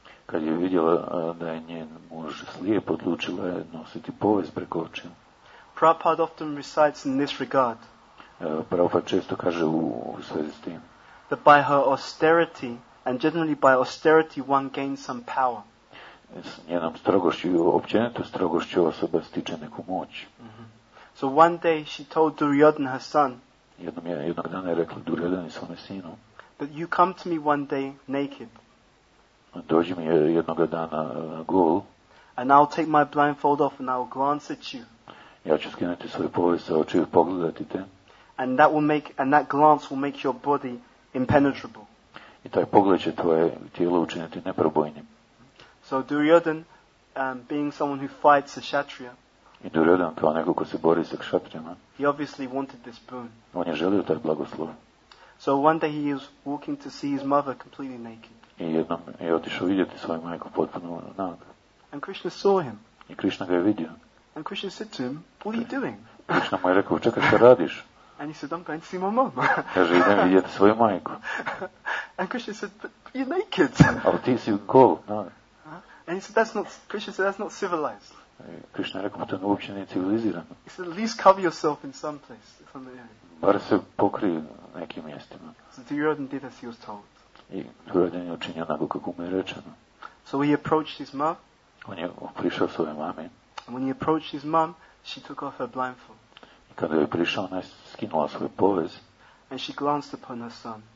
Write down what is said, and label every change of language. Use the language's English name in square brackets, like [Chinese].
[Bosnian] Kad je vidjela da je njen muž slijep, odlučila je nositi povez preko očiju. [English] Prabhupada often recites in this regard. [Bosnian] Prabhupada često kaže u svezi s tim. [English] That by her austerity, and generally by austerity, one gains some power. [Bosnian] S njenom strogošću, općenito strogošću, osoba stiče neku moć. [English] So one day she told Duryodhana, her son, [Bosnian] jednog dana je rekla Duryodhana svome sinu, [English] that you come to me one day naked. [Bosnian] Dođi mi jednog dana gol. [English] And I'll take my blindfold off and I'll glance at you. [Bosnian] Ja ću skinuti svoj povijest sa očiju i pogledati te. [English] And that will make, and that glance will make your body impenetrable. [Bosnian] I taj pogled će tvoje tijelo učiniti neprobojnim. [English] So Duryodhan, being someone who fights a kshatriya, [Bosnian] i Duryodhan kao neko ko se bori sa kshatrijama, [English] he obviously wanted this boon. [Bosnian] On je želio taj blagoslov. [English] So one day he is walking to see his mother completely naked. [Bosnian] I jednom je otišao vidjeti svoju majku potpuno naga. [English] And Krishna saw him. [Bosnian] I Krishna ga je vidio. [English] And Krishna said to him, what are you doing? [Bosnian] Krishna mu je rekao, čekaj, šta radiš? [English] And he said, I'm going to see my mom. [Bosnian] Kaže, idem vidjeti svoju majku. [English] And Krishna said, but you're naked. [Bosnian] Ali ti si gol, no. [English] And he said, that's not, Krishna said, that's not civilized. [Bosnian] Krishna je rekao, to uopće nije civilizirano. [English] He said, at least cover yourself in some place. [Bosnian] Bar se pokri nekim mjestima. [English] So Duryodhan did as he was told. [Bosnian] I Duryodhan je učinio onako kako mu je rečeno. [English] So he approached his mom. [Bosnian] On je prišao svoje mame. [English] And when he approached his mom, she took off her blindfold. [Bosnian] I kada je prišao, ona je skinula svoj povez. [English] And she glanced upon her son.